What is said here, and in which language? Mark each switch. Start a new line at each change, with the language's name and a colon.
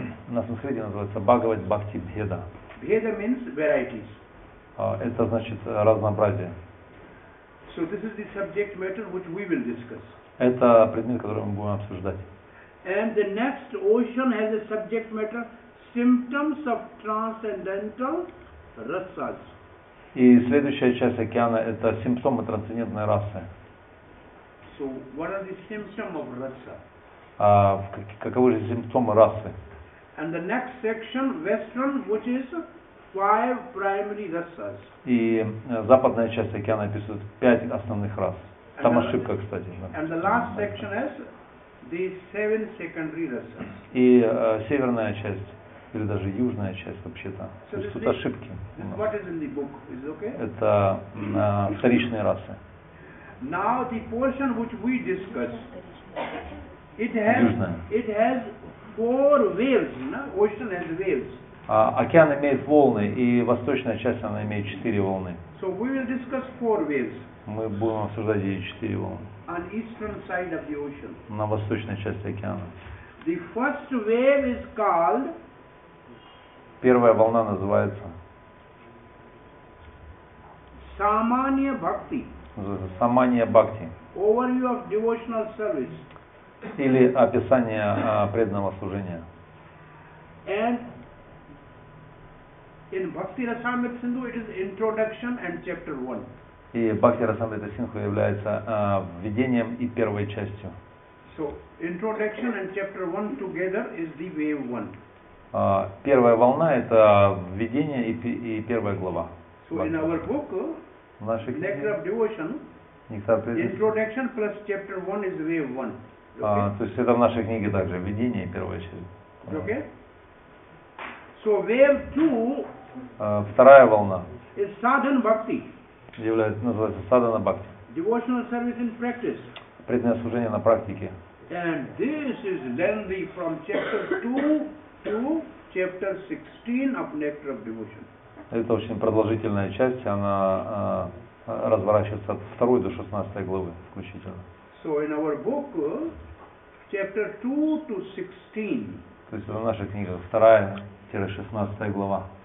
Russian: На санскрите называется Бхагават Бхакти Бхеда.
English: Бхеда means varieties.
Russian: Это значит разнообразие.
English: So this is the subject matter which we will discuss.
Russian: Это предмет, который мы будем обсуждать.
English: And the next ocean has a subject matter symptoms of transcendental rasas.
Russian: И следующая часть океана – это симптомы трансцендентной расы.
English: So, what are the symptoms of rasa?
Russian: Каковы же симптомы расы?
English: And the next section, western, which is five primary rasas.
Russian: И западная часть океана описывает пять основных рас. Там and ошибка, the, кстати.
English: And the last section is the seven secondary rasas.
Russian: И северная часть. Или даже южная часть вообще-то. So то есть тут ошибки.
English: What is in the book? Is it okay?
Russian: Это вторичные расы.
English: Now the portion which we discuss, it has four waves, no? Ocean has waves.
Russian: Океан имеет волны, и восточная часть она имеет четыре волны.
English: So we will discuss four waves.
Russian: Мы будем обсуждать эти четыре волны.
English: On eastern side of the ocean.
Russian: На восточной части океана.
English: The first wave is called.
Russian: Первая волна называется Самания Бхакти. Называется Самания Бхакти.
English: Overview of devotional service.
Russian: Или описание преданного служения.
English: And in Bhakti Rasamrita Sindhu it is introduction and chapter 1.
Russian: И Бхакти Расамрита Сингху является введением и первой частью.
English: So introduction and chapter 1 together is the wave 1.
Russian: Первая волна – это введение и первая глава.
English: So in our book,
Russian: в нашей книге,
English: Nectar of Devotion, Introduction plus Chapter 1 is Wave 1.
Russian: То есть это в нашей книге также, введение и первая часть.
English: Okay. So Wave 2
Russian: вторая волна
English: is Sadhana Bhakti.
Russian: Называется Sadhana Bhakti.
English: Devotional service in practice.
Russian: Преданное служение на практике.
English: And this is lengthy from Chapter 2 chapter 16 of Nectar of Devotion.
Russian: Это очень продолжительная часть, она разворачивается от 2 до 16 главы включительно.
English: So in our book, chapter 2 to 16.
Russian: То есть это наша книга, 2-16 глава.